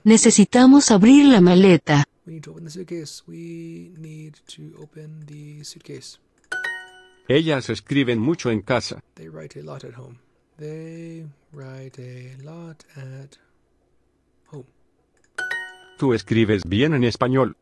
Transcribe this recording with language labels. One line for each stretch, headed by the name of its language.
Spanish: Necesitamos abrir la maleta.
English: We need to open the suitcase. We need to open the suitcase.
Spanish: Ellas escriben mucho en casa.
English: They write a lot at home. They write a lot at home.
Spanish: Tú escribes bien en español.